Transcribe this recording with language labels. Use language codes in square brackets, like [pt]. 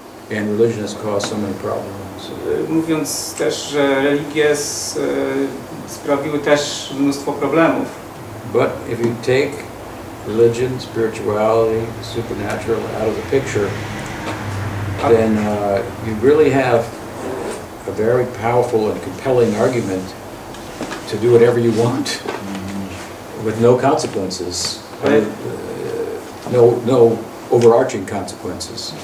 [en] And religion has caused so many problems. [pl] Mówiąc też, że religie sprawiły też mnóstwo problemów. [en] But if you take religion, spirituality, supernatural out of the picture, then you really have a very powerful and compelling argument to do whatever you want with no consequences, no overarching consequences.